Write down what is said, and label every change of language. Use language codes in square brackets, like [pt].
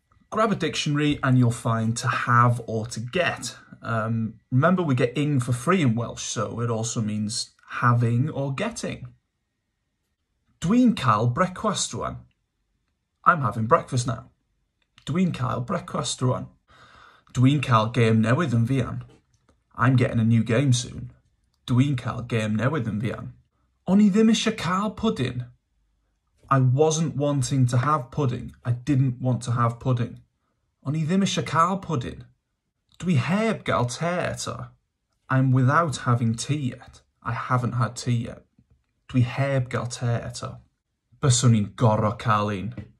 [en] Grab a dictionary and you'll find to have or to get. Remember, we get ing for free in Welsh, so it also means having or getting. [cy] Dwi'n cael brecwast rwan. [en] I'm having breakfast now. [cy] Dwi'n cael brecwast rwan. Dwi'n cael gêm newydd yn fuan. [en] I'm getting a new game soon. [cy] Dwi'n cael gêm newydd yn fuan. O'n i ddim eisiau cael pwdin. [en] I wasn't wanting to have pudding. I didn't want to have pudding. [cy] O'n i ddim eisiau cael pwdin. Dwi heb gael te eto. [en] I'm without having tea yet. I haven't had tea yet. [cy] Dwi heb gael te eto. Byswn i'n gorfod cael un.